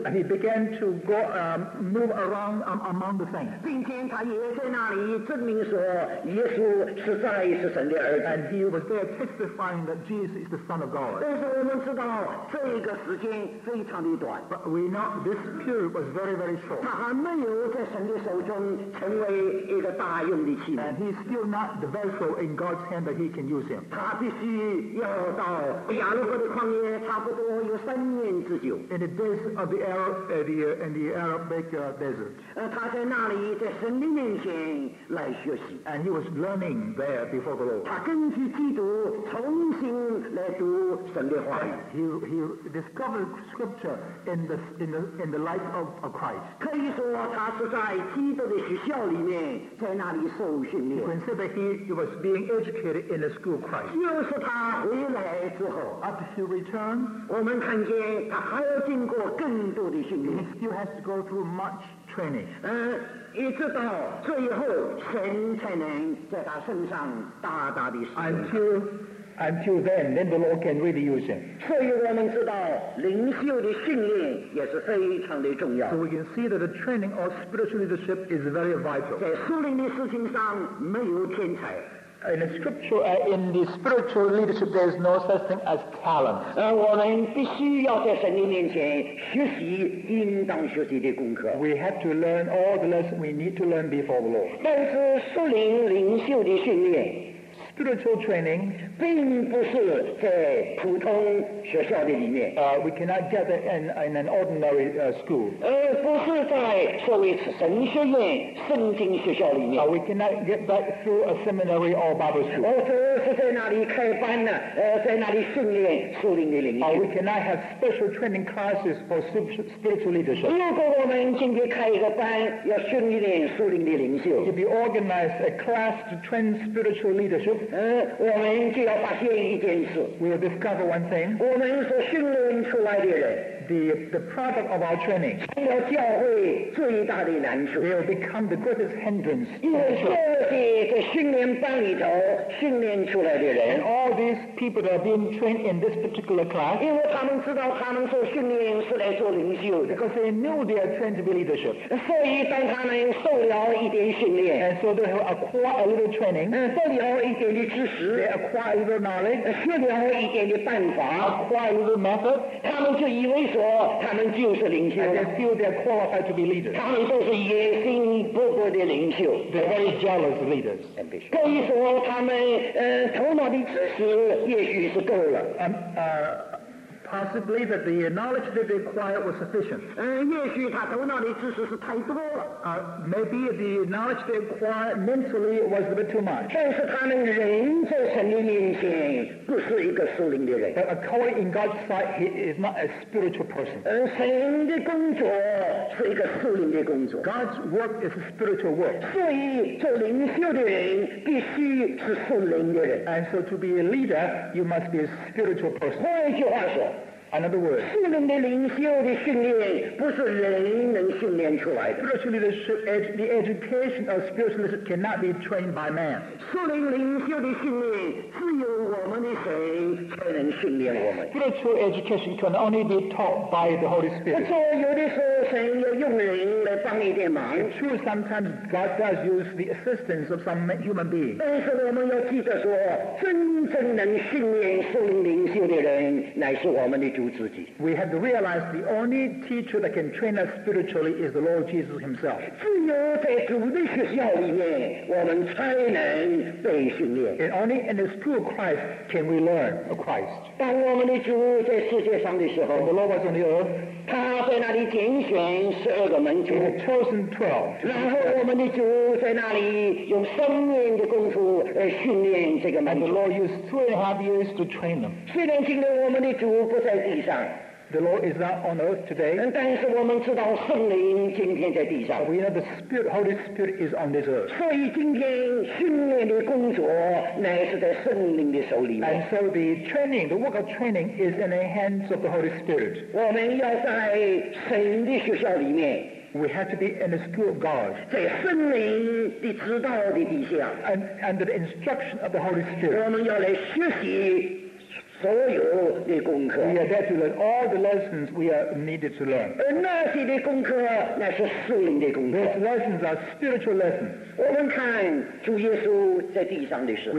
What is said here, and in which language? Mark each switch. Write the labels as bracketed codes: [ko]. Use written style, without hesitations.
[en] and he began to go, move around, among the saints. [zh] 并且他也在那里证明说耶稣实在是神的儿子 [en] and he was there testifying that Jesus is the Son of God. [zh] 但是我们知道这个时间非常的短 [en] but we know this period was very, very short. [zh] 他还没有在神的手中成为一个大用的器皿 [en] and he's still not the vessel in God's hand that he can use him. [zh] 他必须要到亚罗伯的旷野差不多有三年之久 [en] in the days of the Arab, in the Arabic desert. [zh] 他在那里在神的面前来学习 [en] and he was learning there before the Lord. [zh] 他根据基督重新来读神的话语 [en] he discovered scripture in the light of Christ. [zh] 可以说他是在基督的学校里面在那里受训练 [en] you can say that he was being educated in the school of Christ. [zh] 就是他回来之后 [en] after he returned, [zh] 我们看见他还要经过更多的训练 [en] he still has to go through much training. [zh] 一直到最后神才能在他身上大大的使用 [en] Until then the Lord can really use him. [zh] 所以我们知道领袖的训练也是非常的重要。 [en] So we can see that the training of spiritual leadership is very vital. [zh] 在属灵的事情上没有天才。 [en] In the scripture, in the spiritual leadership, there is no such thing as talent. [zh] 我们必须要在神的面前学习应当学习的功课。 [en] We have to learn all the lessons we need to learn before the Lord. [zh] 但是属灵领袖的训练。 [en] Spiritual training, [zh] 并不是在普通学校的里面。 [en] We cannot get it in an ordinary school. [zh] 不是在所谓神学院、圣经学校里面。 [en] We cannot get that through a seminary or Bible school. [zh] 只是在那里开班呢？在那里训练属灵的领袖。 [en] We cannot have special training classes for spiritual leadership. [zh] 如果我们今天开一个班，要训练属灵的领袖。 [en] If you organize a class to train spiritual leadership. [zh] 我们就要发现一件事 [en] We'll discover one thing [zh] 我们所训练出来的人 [en] The product of our training [zh] 成了教会最大的难处 [en] Will become the greatest hindrance [zh] 因为这些在训练班里头训练出来的人 [en] And all these people that are being trained in this particular class [zh] 因为他们知道他们所训练是来做领袖的 [en] Because they knew they are trained to be leadership [zh] 所以当他们受了一点训练 [en] And so they have acquired a little training [zh] 受了一点的知识 [en] they acquire a little knowledge [zh] 学了一点的办法 [en] acquire a little method [zh] 他们就以为说他们就是领袖 [en] and they feel they are qualified to be leaders [zh] 他们都是野心勃勃的领袖 [en] they're very jealous leaders [zh] 可以说他们头脑的知识也许是够了 [en] possibly that the knowledge that they acquired was sufficient [zh] 也许他头脑的知识是太多了 [en] maybe the knowledge they acquired mentally was a bit too much [zh] 但是他们人在神的面前不是一个属灵的人 [en] but according in God's sight he is not a spiritual person [zh] 神的工作是一个属灵的工作 [en] God's work is a spiritual work [zh] 所以做领袖的人必须是属灵的人 [en] and so to be a leader you must be a spiritual person [zh] 换句话说 [en] Another word. [zh] 属灵的领袖的训练不是人能训练出来的。 [en] Spiritual leadership, the education of spiritual leadership cannot be trained by man. [zh] 属灵领袖的训练只有我们的神才能训练我们。 [en] Spiritual education can only be taught by the Holy Spirit. [zh] 所以有的时候神要用人来帮一点忙。 [en] It's true, sometimes God does use the assistance of some human being. [zh] 但是我们要记得说，真正能训练属灵领袖的人乃是我们的。 [en] We have to realize the only teacher that can train us spiritually is the Lord Jesus himself. [zh] 只有在主的学校里面我们才能被训练。 [en] And only in the school of Christ can we learn of Christ. [zh] 当我们的主在世界上的时候 [en] When the Lord was on the earth, [zh] 他在那里拣选十二个门徒 [en] He had chosen 12. [zh] 然后我们的主在那里用三年的功夫来训练这个门徒 [en] And the Lord used 3.5 years to train them. [zh] 虽然今天我们的主不在地上 [en] The Lord is not on earth today. [zh] 但是我们知道圣灵今天在地上 [en] We know the Spirit, Holy Spirit is on this earth. [zh] 所以今天训练的工作乃是在圣灵的手里面 [en] And so the training, the work of training is in the hands of the Holy Spirit. [zh] 我们要在神的学校里面 [en] We have to be in the school of God. [zh] 在圣灵的指导的底下。 [en] And under the instruction of the Holy Spirit. [zh] 我们要来学习所有的功课。 [en] We are there to learn all the lessons we are needed to learn. [zh] 那些的功课，那是属灵的功课。 [en] These lessons are spiritual lessons. [zh] 我们看主耶稣在地上的时候。